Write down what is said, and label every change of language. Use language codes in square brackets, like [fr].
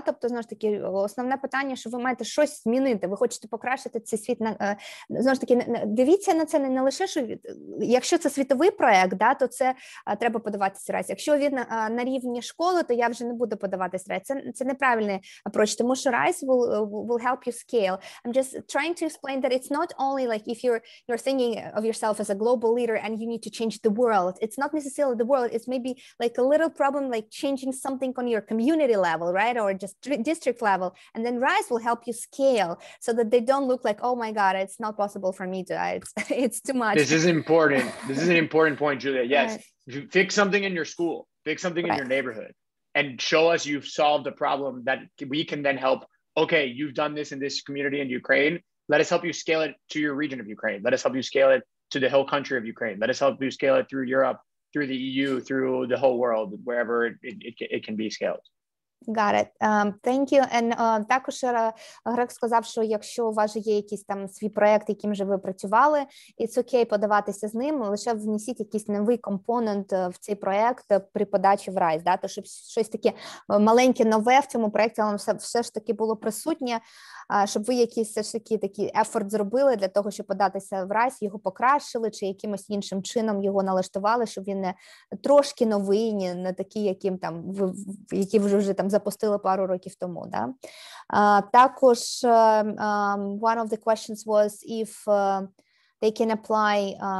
[uk] Тобто, знову ж таки, основне питання, що ви маєте щось змінити, ви хочете покращити цей світ. Знову ж таки, дивіться на це не лише, що якщо це світовий проект, да, то це треба подаватися раз. Якщо він на рівні школи, то я вже не буду подаватися раз. Це неправильний approach, тому що RISE [en] will help you scale. I'm just trying to explain that it's not only like if you're thinking of yourself as a global leader and you need to change the world. It's not necessarily the world, it's maybe like a little problem like changing something on your community level, right? Or just district level. And then RISE will help you scale so that they don't look like, oh my God, it's not possible for me to, it's too much. This is important. This is an important point, Julia. Yes, right. Fix something in your school, fix something right. in your neighborhood and show us you've solved a problem that we can then help. Okay, you've done this in this community in Ukraine. Let us help you scale it to your region of Ukraine. Let us help you scale it to the whole country of Ukraine. Let us help you scale it through Europe, through the EU, through the whole world, wherever it can be scaled. Got it. Thank you. [uk] And також Грек сказав, що якщо у вас є якийсь там свій проєкт, яким же ви працювали, [en] it's okay [uk] подаватися з ним, лише внесіть якийсь новий компонент в цей проєкт при подачі в RISE, да? То, щоб щось таке маленьке нове в цьому проєкті, але все ж таки було присутнє, щоб ви якийсь все ж таки такий ефорт зробили для того, щоб податися в RISE, його покращили, чи якимось іншим чином його налаштували, щоб він не трошки новий, не такий, яким там, які вже там запустили пару років тому, да? Також [en] one of the questions was if they can apply